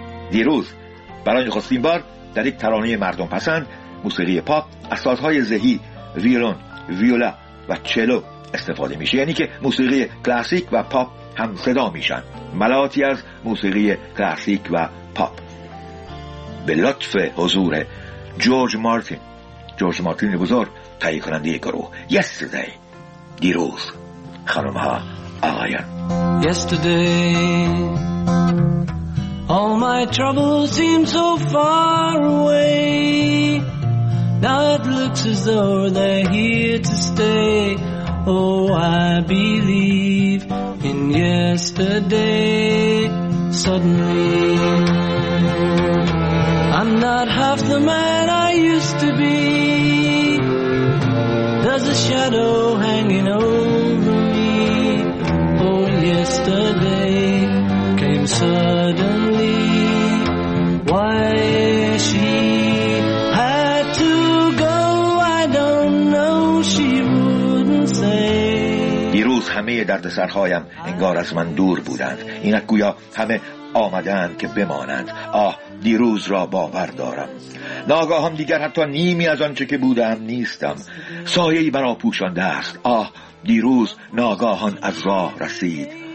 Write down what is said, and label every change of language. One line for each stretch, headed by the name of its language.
Persian: دیروز برای نخستین بار در یک ترانه مردم پسند، موسیقی پاپ، از سازهای زهی، ویولون، ویولا و چلو استفاده میشه، یعنی که موسیقی کلاسیک و پاپ هم صدا میشن، ملاتی از موسیقی کلاسیک و پاپ. به لطف حضور جورج مارتین، جورج مارتین بزرگ تهیه کننده گروه. Yesterday، دیروز. خانم ها، آقایان. Yesterday
English: All my troubles seem so far away. Now it looks as though they're here to stay. Oh, I believe in yesterday. Suddenly, I'm not half the man I used to be. There's a shadow hanging over me. Oh, yesterday came suddenly. Why she had to go, I don't know, she wouldn't say.
Persian: دیروز همه دردسرهایم انگار از من دور بودند. اینک گویا همه آمدند که بمانند. آه، دیروز را باور دارم. ناگاهم دیگر حتی نیمی از آنچه که بودم نیستم. سایه‌ای مرا پوشانده است. آه، دیروز ناگاهان از راه رسید.